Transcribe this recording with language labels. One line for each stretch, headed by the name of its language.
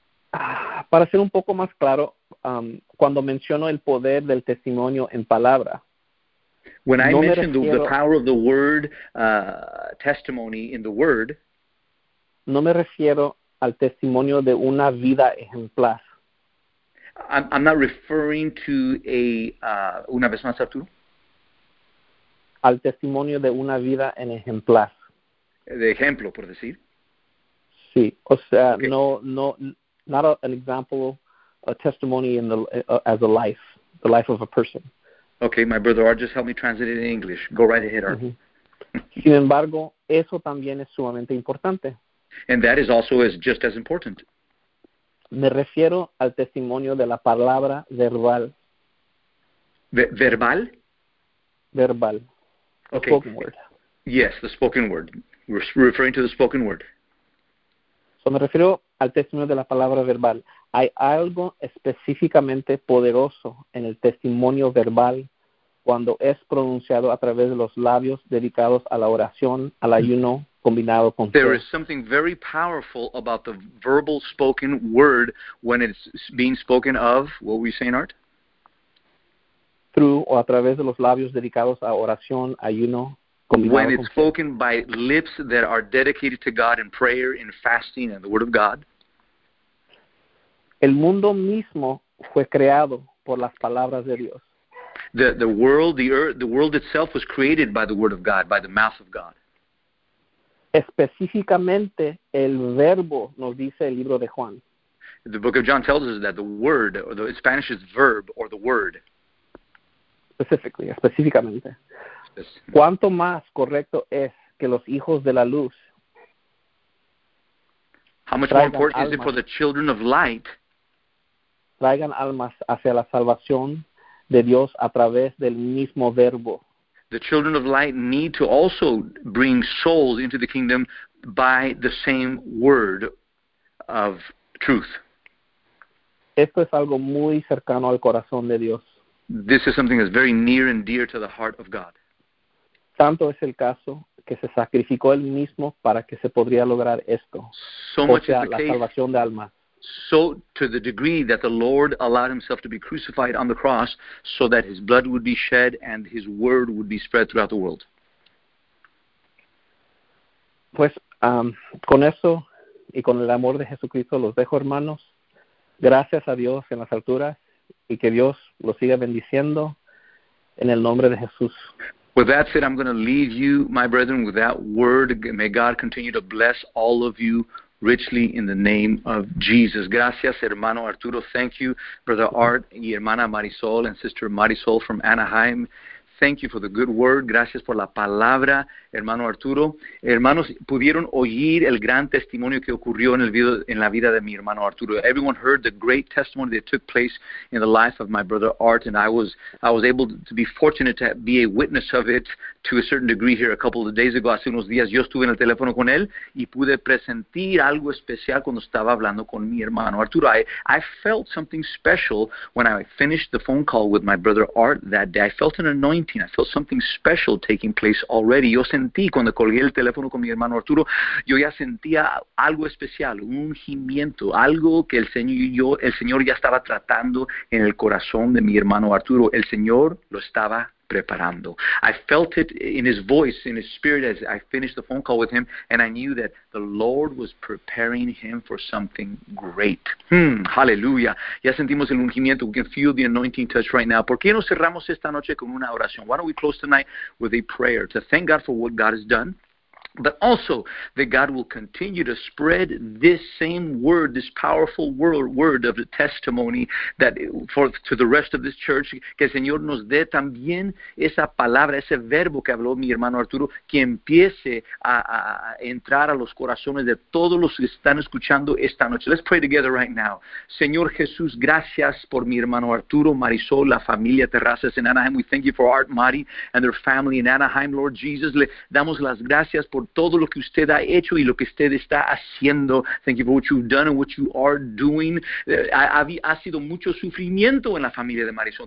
Spanish: Para ser un poco más claro, cuando menciono el poder del testimonio en palabra,
English: when I mention the power of the word testimony in the word,
Spanish: no me refiero al testimonio de una vida ejemplar.
English: I'm not referring to a
Spanish: una vez más, Arturo. Al testimonio de una vida en ejemplar. De ejemplo, por decir. Sí, o sea, okay.
English: no, not a, an example, a testimony in the as a life, the life of a person. Okay, my brother Art just helped me translate it in English. Go right ahead, Art. Mm-hmm.
Spanish: Sin embargo, eso también es sumamente importante.
English: And that is also as just as important.
Spanish: Me refiero al testimonio de la palabra verbal. Verbal? Verbal.
English: Okay. The spoken word. Yes, the spoken word. We're referring to the spoken word.
Spanish: So me refiero al testimonio de la palabra verbal. Hay algo específicamente poderoso en el testimonio verbal cuando es pronunciado a través de los labios dedicados a la oración, al ayuno, combinado con
English: There is something very powerful about the verbal spoken word when it's being spoken of, what were you saying, Art?
Spanish: Through o a través de los labios dedicados a oración, ayuno, combinado
English: when it's spoken by lips that are dedicated to God in prayer, in fasting, and the word of God.
Spanish: El mundo mismo fue creado por las palabras de Dios.
English: The world, the earth, the world itself was created by the word of God, by the mouth of God.
Spanish: Específicamente, el verbo nos dice el libro de Juan.
English: The book of John tells us that the word, or the, in Spanish is verb, or the word. Specifically,
Spanish: específicamente. ¿Cuánto más correcto es que los hijos de la luz
English: How much more important is it for the children of light
Spanish: traigan almas hacia la salvación de Dios a través del mismo verbo?
English: The children of light need to also bring souls into the kingdom by the same word of truth.
Spanish: Esto es algo muy cercano al corazón de Dios.
English: This is something that's very near and dear to the heart of God.
Spanish: Tanto es el caso que se sacrificó él mismo para que se podría lograr esto.
English: So
Spanish: o sea, la salvación de almas.
English: So to the degree that the Lord allowed himself to be crucified on the cross so that his blood would be shed and his word would be spread throughout the world.
Spanish: Pues con eso y con el amor de Jesucristo los dejo, hermanos. Gracias a Dios en las alturas y que Dios los siga bendiciendo en el nombre de Jesús.
English: With that said, I'm going to leave you, my brethren, with that word. May God continue to bless all of you richly in the name of Jesus.
Spanish: Gracias, hermano Arturo.
English: Thank you, brother Art
Spanish: y hermana Marisol
English: and sister Marisol from Anaheim. thank you for the good word.
Spanish: Gracias por la palabra, hermano Arturo. Hermanos, ¿pudieron oír el gran testimonio que ocurrió en el video, en la vida de mi hermano Arturo?
English: Everyone heard the great testimony that took place in the life of my brother Art, and I was able to be fortunate to be a witness of it to a certain degree here a couple of days ago.
Spanish: Hace unos días yo estuve en el teléfono con él y pude presentir algo especial cuando estaba hablando con mi hermano Arturo.
English: I felt something special when I finished the phone call with my brother Art that day. I felt an anointing. I felt something special taking place already.
Spanish: Yo sentí, cuando colgué el teléfono con mi hermano Arturo, yo ya sentía algo especial, un ungimiento, algo que el Señor y yo, el Señor ya estaba tratando en el corazón de mi hermano Arturo. El Señor lo estaba preparando.
English: I felt it in his voice, in his spirit, as I finished the phone call with him, and I knew that the Lord was preparing him for something great. Hallelujah.
Spanish: Ya sentimos el ungimiento.
English: We can feel the anointing touch right now.
Spanish: ¿Por qué no cerramos esta noche con una oración?
English: Why don't we close tonight with a prayer to thank God for what God has done, but also that God will continue to spread this same word, this powerful word of the testimony that to the rest of this church,
Spanish: que el Señor nos dé también esa palabra, ese verbo que habló mi hermano Arturo, que empiece a entrar a los corazones de todos los que están escuchando esta noche.
English: Let's pray together right now.
Spanish: Señor Jesús, gracias por mi hermano Arturo, Marisol, la familia Terrazas en Anaheim.
English: We thank you for Art, Mari, and their family in Anaheim.
Spanish: Lord Jesus, le damos las gracias por todo lo que usted ha hecho y lo que usted está haciendo.
English: Thank you for what you've done and what you are doing.
Spanish: Ha sido mucho sufrimiento en la familia de Marisol.